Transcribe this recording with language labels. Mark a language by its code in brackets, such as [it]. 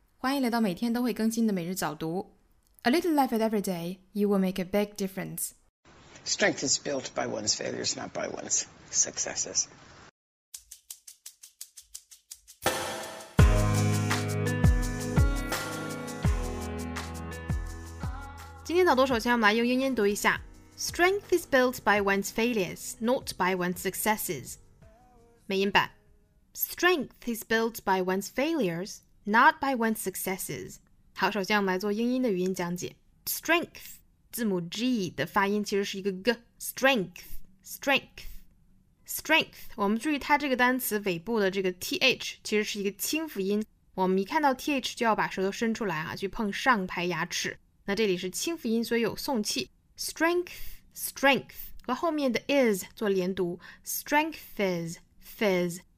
[zh] 欢迎来到每天都会更新的每日早读。 [en] A little life at every day, you will make a big difference. Strength is built by one's failures, not by one's successes. [zh] Today's 早读首先我们来用英音读一下。 [en] Strength is built by one's failures, not by one's successes. [zh] 美音版。 [en] Strength is built by one's failures, not by one's successes. [zh] 好，首先我们来做英音的语音讲解。Strength, 字母 G 的发音其实是一个 G. [en] Strength, strength, strength. [zh] 我们注意它这个单词尾部的这个 TH 其实是一个清辅音。我们一看到 TH 就要把舌头伸出来啊，去碰上排牙齿。那这里是清辅音，所以有送气。 [en] Strength, strength. [zh] 和后面的 is 做连读。 [en] Strength is, fizz.